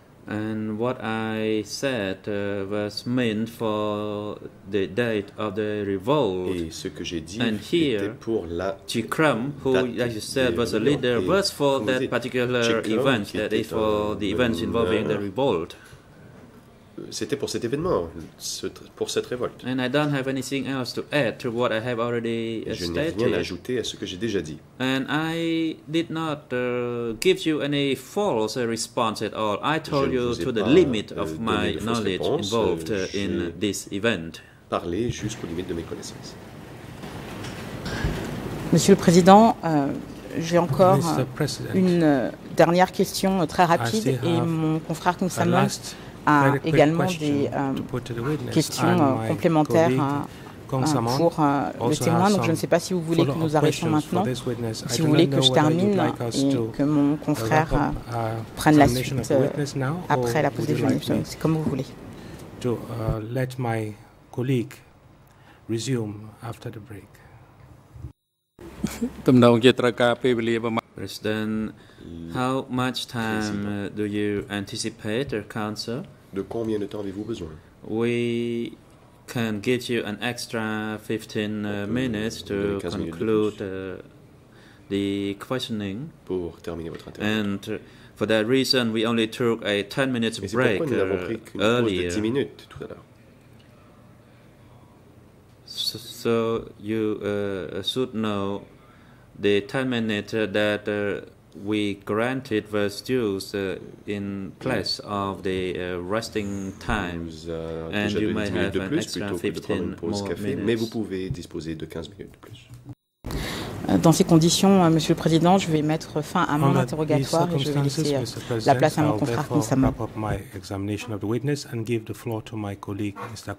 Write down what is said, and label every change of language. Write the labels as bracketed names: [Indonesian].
[English] And what I said was meant for the date of the revolt. [French] Et ce que j'ai dit était pour la [English] Tikram, who, as you said, was a leader, was for that particular event, that is for the events involving the revolt. [French] C'était pour cet événement, pour cette révolte. [English] And I don't have anything else to add to what I have already stated. [French] Je n'ai rien à ajouter à ce que j'ai déjà dit. [English] And I did not give you any false response at all. I told you to the limit of my knowledge involved in this event. [French] Parler jusqu'aux limites de mes connaissances. Monsieur le Président, j'ai encore une dernière question très rapide et mon confrère Kim Salman a également des questions complémentaires pour le témoin. Donc je ne sais pas si vous voulez que nous arrêtions maintenant, si vous voulez que je termine et que mon confrère prenne la suite après la pause déjeuner. C'est comme vous voulez. [English] To let my colleague resume after the break. President, how much time do you anticipate, Council? [French] De combien de temps avez-vous besoin? [English] We can give you an extra 15 minutes to conclude the questioning. [French] Pour terminer votre interview. [English] And for that reason, we only took a 10 minutes break earlier. [French] Mais c'est pourquoi nous n'avons pris qu'une pause de 10 minutes tout à l'heure. [English] So you should know the 10 minutes that we granted was used in place of the resting time. And you may have an extra 15 more minutes. [French] Mais vous pouvez disposer de 15 minutes de plus. Dans ces conditions, Monsieur le Président, je vais mettre fin à mon interrogatoire et je vais laisser la place à mon confrère Kong Samon. [English] I'll wrap up my examination of the witness and give the floor to my colleague, Mr.